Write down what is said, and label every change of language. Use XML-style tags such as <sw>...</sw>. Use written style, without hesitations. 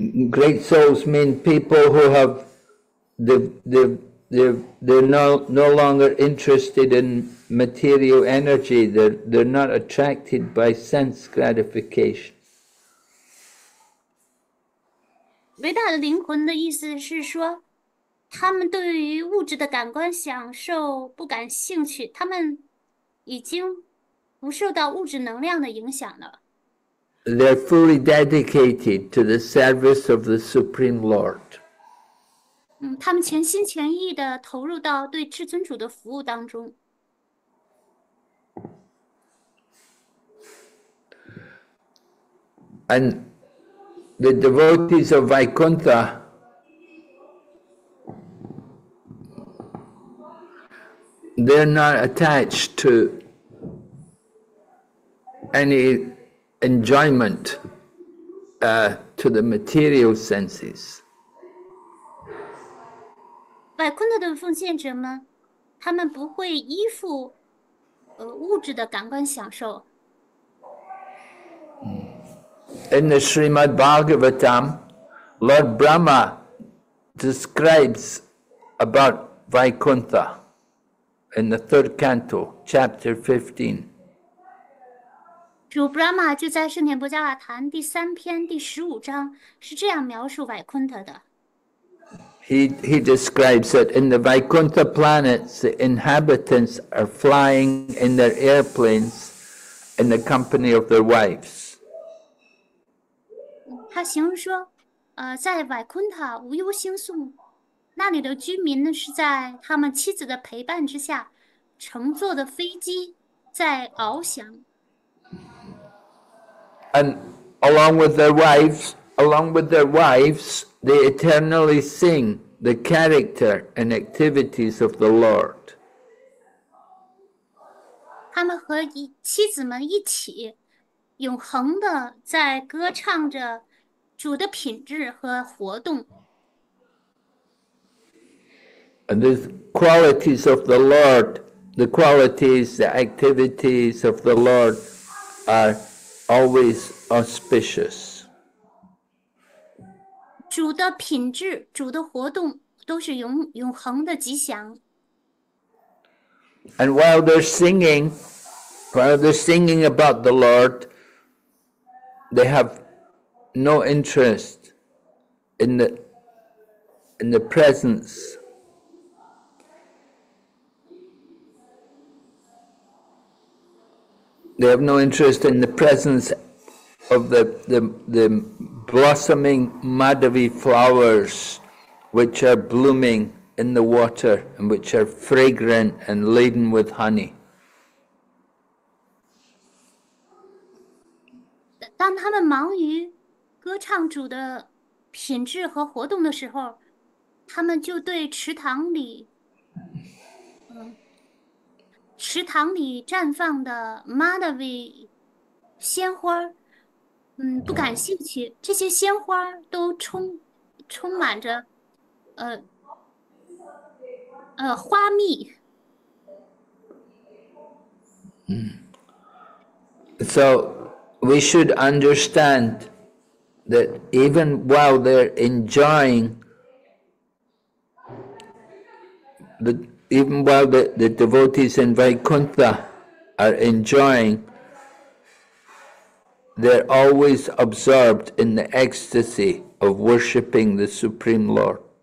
<en>Great souls mean people who have they're no longer interested in material energy. They're not attracted by sense gratification.</en> <zh>伟大的灵魂的意思是说，他们对于物质的感官享受不感兴趣，他们已经不受到物质能量的影响了。</zh> <en>They're fully dedicated to the service of the Supreme Lord.</en> <zh>他们全心全意地投入到对至尊主的服务当中。</zh> <en>And the devotees of Vaikuntha they're not attached to any enjoyment to the material senses.</en> <zh>百昆特的奉献者们，他们不会依附物质的感官享受。</zh> <en>In the Srimad Bhagavatam, Lord Brahma describes about Vaikuntha. In the third canto, chapter 15.</en> <zh>主 Brahma 就在圣田伯加瓦坛第三篇第十五章是这样描述瓦昆特的。</zh> <en>He describes that in the Vaikuntha planets, the inhabitants are flying in their airplanes in the company of their wives.</en> <zh>他形容说，在瓦昆特无忧星宿。那里的居民呢，是在他们妻子的陪伴之下，乘坐的飞机在翱翔。</zh> <en>And along with their wives, along with their wives, they eternally sing the character and activities of the Lord.</en> <zh>他们和妻子们一起，永恒的在歌唱着主的品质和活动。</zh> <en>And the qualities of the Lord, the qualities, the activities of the Lord are always auspicious.</en> <zh>主的品质，主的活动都是永恒的吉祥。</zh> <en>And while they're singing about the Lord, they have no interest in the presence They have no interest in the presence of the blossoming Madhavi flowers which are blooming in the water and which are fragrant and laden with honey.</en> <zh>当他们忙于歌唱主的品质和活动的时候，他们就对池塘里绽放的 Madhavi 鲜花不感兴趣。这些鲜花都充满着花蜜。</zh> <en>So we should understand that even while they're enjoying the devotees in Vaikuntha are enjoying, they're always absorbed in the ecstasy of worshipping the Supreme Lord.</en>